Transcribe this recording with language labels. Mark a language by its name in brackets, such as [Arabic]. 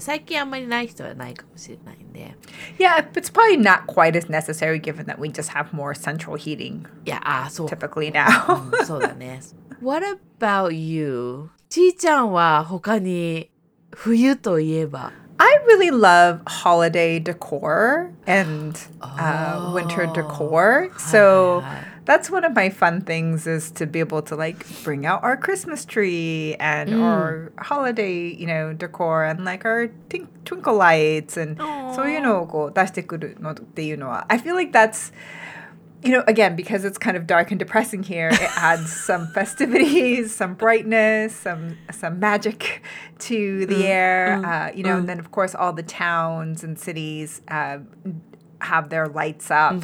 [Japanese] 最近あんまりない人はないかもしれないんで。 [English] Yeah, it's probably not quite as necessary given that we just have more central heating. [Japanese] Yeah, そう。 [English] Typically now. [Japanese] そうだね。 [English] What about you? [Japanese] ちーちゃんは他に冬といえば。 [English] I really love holiday decor and winter decor. So that's one of my fun things is to be able to like bring out our Christmas tree and our holiday, you know, decor and like our twinkle lights and so you know, [Japanese] こう出してくるのっていうのは [English] I feel like that's, you know, again, because it's kind of dark and depressing here, it adds some festivities, some brightness, some magic to the air, you know, and then, of course, all the towns and cities have their lights up.